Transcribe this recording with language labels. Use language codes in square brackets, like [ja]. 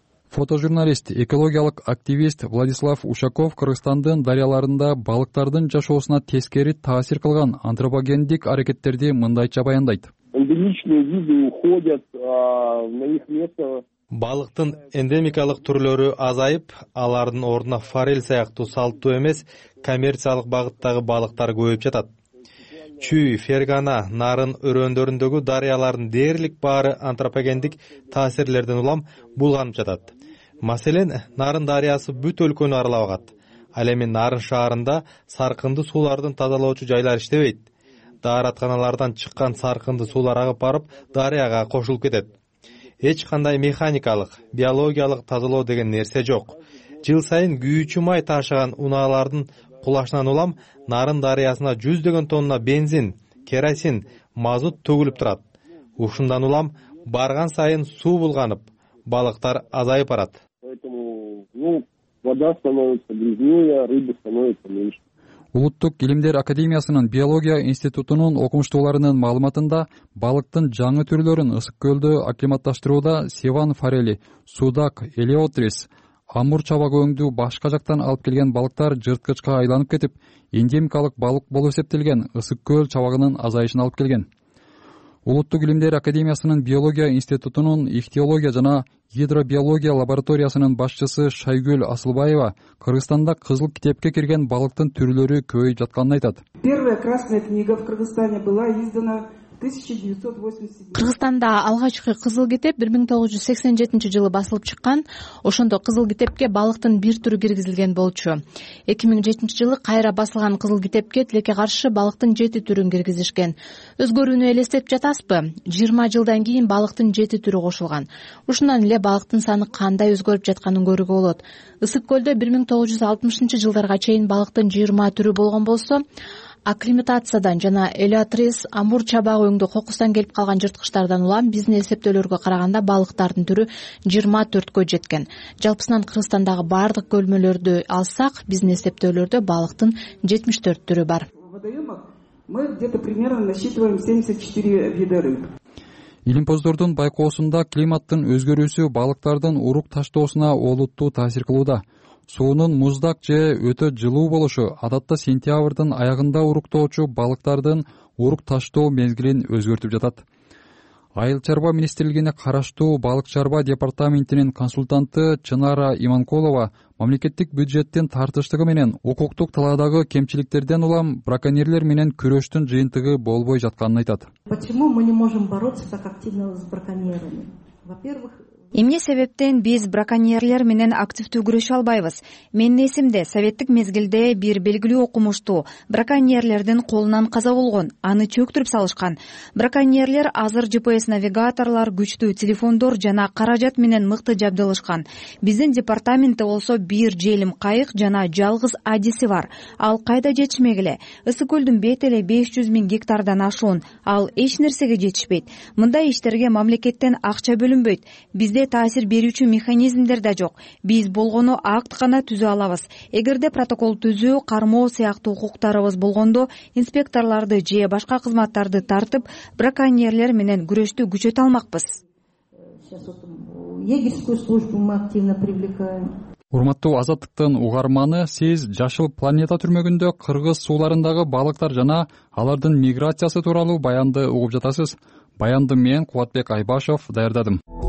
[ky] Фотожурналист, экологиялык активист Владислав Ушаков Кыргызстандын дарыяларында балыктардын жашоосуна тескери таасир кылган антропогендик аракеттерди мындайча баяндайт. [ru] Эндемичные виды уходят на их место. [ky] Балыктын эндемикалык түрлөрү азайып, алардын ордуна форель сыяктуу салттуу эмес коммерциялык багыттагы балыктар көбөйүп жатат. Чүй, Фергана, Нарын өрөөндөрүндөгү дарыялардын дээрлик баары антропогендик таасирлерден улам булганып жатат. Маселен, Нарын дарыясы бүт өлкөнү аралап агат. Ал эми Нарын шаарында сарқынды суулардын тазалоочу жайлар иштебейт. Дааратканалардан чыккан сарқынды суулар агып барып, дарыяга кошулуп кетет. Эч кандай механикалык, биологиялык тазалоо деген нерсе жок. Жыл сайын күйүүчү май ташыган унаалардын кулашынан улам Нарын дарыясына жүздөгөн тонна бензин, керосин, мазут төгүлүп турат. Ушундан улам барган сайын суу булганып, балыктар азайып барат. [ru] Вода становится грязнее, рыбы становится меньше. [ky] Улуттук Илимдер Академиясынын биология институтунун окумуштууларынын маалыматында балыктын жаңы түрлөрүн Ысык Көлдө акклиматташтырууда севан форели, судак, элеотрис, амур чабак өңдүү башка жактан алып келген балыктар жырткычка айланып кетип, эндемикалык балык болуп эсептелген Ысык Көл чабагынын азайышына алып келген. Улуттук Илимдер Академиясынын биология институтунун ихтиология жана гидробиология лабораториясынын башчысы Шайгүл Асылбаева Кыргызстанда кызыл китепке кирген балыктын түрлөрү көбөйүп жатканын айтат. [ru] Первая красная книга в Кыргызстане была издана 1987. [ky] Кыргызстанда алгачкы кызыл китеп 1987 жылы басылып чыккан. Ошондо кызыл китепке балыктын бир түрү киргизилген болчу. 2007 жылы кайра басылган кызыл китепке тилекке каршы балыктын 7 түрүн киргизишкен. Өзгөрүүнү элестетип жатасызбы? 20 жылдан кийин балыктын 7 түрү кошулган. Ушундан эле балыктын саны кандай өзгөрүп жатканын көрүүгө болот. Ысык Көлдө 1960 жылдарга чейин балыктын 20 түрү болгон болсо, акклиматациядан жана элеотрис, амур чабагы өңдүү кокустан келип калган жырткычтардан улам биздин эсептөөлөргө караганда балыктардын түрү 24 жеткен. Жалпысынан Кыргызстандагы баардык көлмөлөрдү алсак, биздин эсептөөлөрдө балыктын 74 түрү бар. [ru] Мы где-то примерно насчитываем 74 вида рыб. [ky] Илимпоздордун байкоосунда климаттын өзгөрүүсү балыктардын урук таштоосуна олуттуу таасир кылууда. Суунун муздак же өтө жылуу болушу адатта сентябрдын аягында уруктоочу балыктардын урук таштоо мезгилин өзгөртүп жатат. Айыл чарба министрлигине караштуу балык чарба департаментинин консультанты Чынара Иманколова мамлекеттик бюджеттин тартыштыгы менен укуктук талаадагы кемчиликтерден улам браконьерлер менен күрөштүн жыйынтыгы болбой жатканын айтат. [ru] Почему мы не можем бороться так активно с браконьерами? Во-первых, [ky] эмне себептен биз браконьерлер менен активдүү күрөшө албайбыз? Менин эсимде советтик мезгилде бир белгилүү окумуштуу браконьерлердин колунан каза болгон, аны чөктүрүп салышкан. Браконьерлер азыр GPS навигаторлор, күчтүү телефондор жана каражат менен мыкты жабдылышкан. Биздин департаментте болсо бир желим кайык жана жалгыз адиси бар. Ал кайда жетишмек эле? Ысык Көлдүн бет эле 500 000 гектардан ашуун, ал эч нерсеге жетишпейт. Мындай иштерге мамлекеттен акча бөлүнбөйт. Бизде таасир берүүчү механизмдер да жок. Биз болгону акт гана түзүп алабыз. Эгерде протокол түзүү, кармоо сыяктуу укуктарыбыз болгондо, инспекторлорду же башка кызматтарды тартып, браконьерлер менен күрөштү күчөтө алмакпыз. [ru] Егерскую службу мы активно привлекаем. [ky] Урматтуу азаттыктын угарманы, сиз жашыл планета түрмөгүндө кыргыз сууларындагы балыктар жана алардын миграциясы тууралуу баянды угуп жатасыз. Баянды мен Кубатбек Айбашов даярдадым.